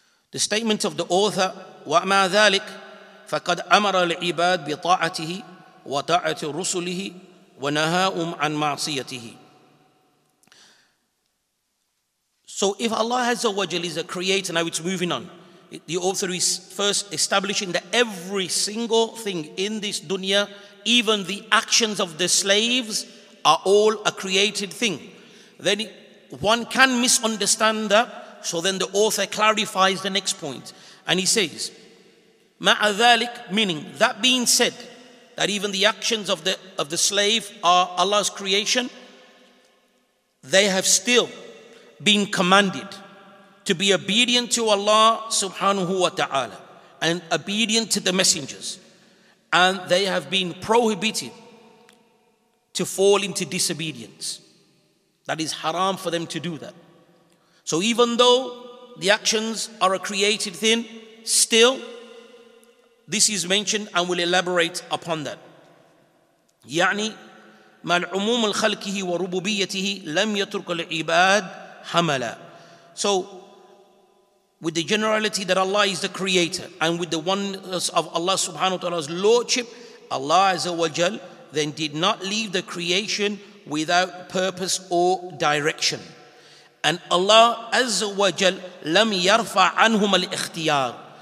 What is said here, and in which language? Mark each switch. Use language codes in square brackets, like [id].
[en] The statement of the author, [ar] وَأَمَا ذَلِكَ فَقَدْ أَمَرَ الْعِبَادِ بِطَاعَتِهِ وَطَاعَةِ رُسُلِهِ وَنَهَاهُمْ عَنْ مَعْصِيَتِهِ. [en] So if Allah Azza wa Jal is a creator, now it's moving on. The author is first establishing that every single thing in this dunya, even the actions of the slaves, are all a created thing. Then one can misunderstand that. So then the author clarifies the next point. And he says, [ar] مَعَ ذَلِكَ, [en] meaning, that being said, that even the actions of the slave are Allah's creation, they have still been commanded to be obedient to Allah subhanahu wa ta'ala and obedient to the messengers. And they have been prohibited to fall into disobedience. That is haram for them to do that. So even though the actions are a created thing, still this is mentioned and we'll elaborate upon that. [ar] يعني مع العموم الخلقه وربوبيته لم يترك العباد حملا. [en] So with the generality that Allah is the creator and with the oneness of Allah subhanahu wa ta'ala's lordship, Allah azza wa jal then did not leave the creation without purpose or direction. And Allah azza wa jal [ar] lam yarfa anhum al-ikhtiyar.